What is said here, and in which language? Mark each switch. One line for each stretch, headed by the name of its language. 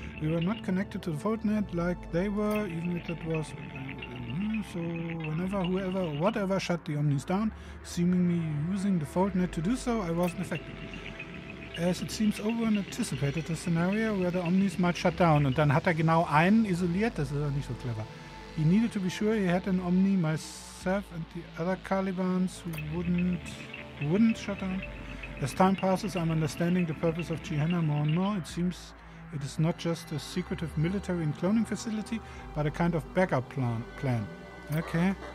English: We were not connected to the Foldnet like they were, even if it was... So whenever, whoever, whatever shut the Omnis down, seemingly using the Foldnet to do so, I wasn't affected. As it seems, Oberon anticipated the scenario where the Omnis might shut down.
German: Und dann hat genau einen isoliert, das ist auch nicht so clever.
English: He needed to be sure he had an Omni, myself and the other Calibans who wouldn't shut down. As time passes, I'm understanding the purpose of Jehenna more and more. It seems it is not just a secretive military and cloning facility, but a kind of backup plan. Okay.